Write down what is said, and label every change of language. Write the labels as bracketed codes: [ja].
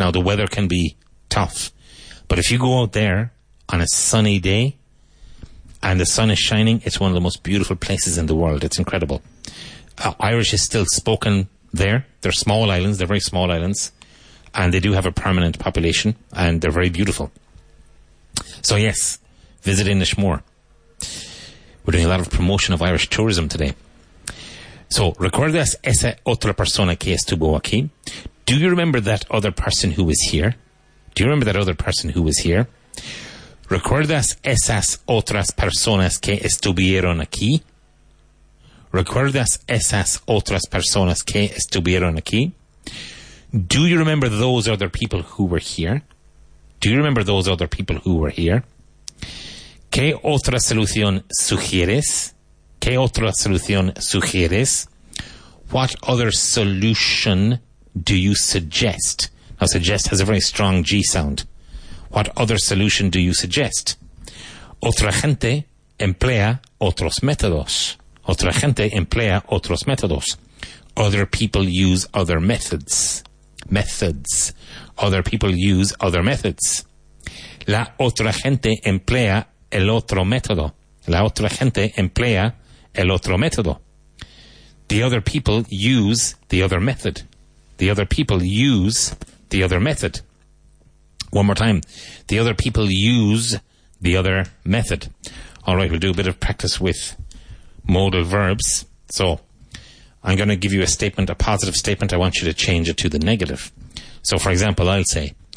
[en] Now, the weather can be tough. But if you go out there on a sunny day and the sun is shining, it's one of the most beautiful places in the world. It's incredible. Irish is still spoken there. They're small islands. They're very small islands. And they do have a permanent population. And they're very beautiful. So, yes, visit Inishmore. We're doing a lot of promotion of Irish tourism today. So, [es] ¿recuerdas esa otra persona que estuvo aquí? [en] Do you remember that other person who was here? Do you remember that other person who was here? [es] ¿Recuerdas esas otras personas que estuvieron aquí? ¿Recuerdas esas otras personas que estuvieron aquí? [en] Do you remember those other people who were here? Do you remember those other people who were here? [es] ¿Qué otra solución sugieres? ¿Qué otra solución sugieres? [en] What other solution do you suggest? Now, suggest has a very strong G sound. What other solution do you suggest? [es] Otra gente emplea otros métodos. Otra gente emplea otros métodos. [en] Other people use other methods. Methods. Other people use other methods. [es] La otra gente emplea el otro método. La otra gente emplea el otro método. [en] The other people use the other method. The other people use the other method. One more time. The other people use the other method. All right, we'll do a bit of practice with modal verbs. So I'm going to give you a statement, a positive statement. I want you to change it to the negative. So, for example, I'll say,